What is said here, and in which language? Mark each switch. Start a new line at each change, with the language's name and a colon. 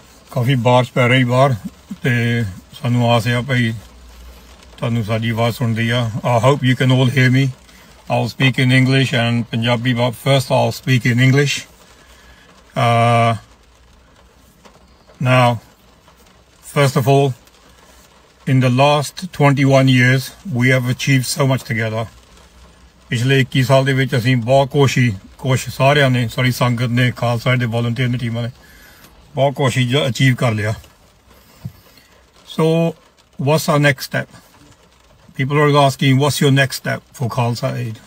Punjabi: ਕਾਫੀ ਬਾਰਿਸ਼ ਪੈ ਰਹੀ ਬਾਹਰ ਅਤੇ ਸਾਨੂੰ ਆਸ ਆ ਭਾਈ ਤੁਹਾਨੂੰ ਸਾਡੀ ਆਵਾਜ਼ ਸੁਣਦੀ ਆ।
English: I hope you can all hear me. I'll speak in English and Punjabi but first I'll speak in English. Now, first of all, in the last 21 years, we have achieved so much together.
Punjabi: ਪਿਛਲੇ 21 ਸਾਲ ਦੇ ਵਿੱਚ ਅਸੀਂ ਬਹੁਤ ਕੋਸ਼ਿਸ਼ ਸਾਰਿਆਂ ਨੇ ਸਾਰੀ ਸੰਗਤ ਨੇ ਖਾਲਸਾ ਦੇ ਵਾਲੰਟੀਅਰ ਦੀ ਟੀਮਾਂ ਨੇ ਬਹੁਤ ਕੋਸ਼ਿਸ਼ ਅਚੀਵ ਕਰ ਲਿਆ।
English: So what's are next step? People are asking what's your next step for Khalsa Aid?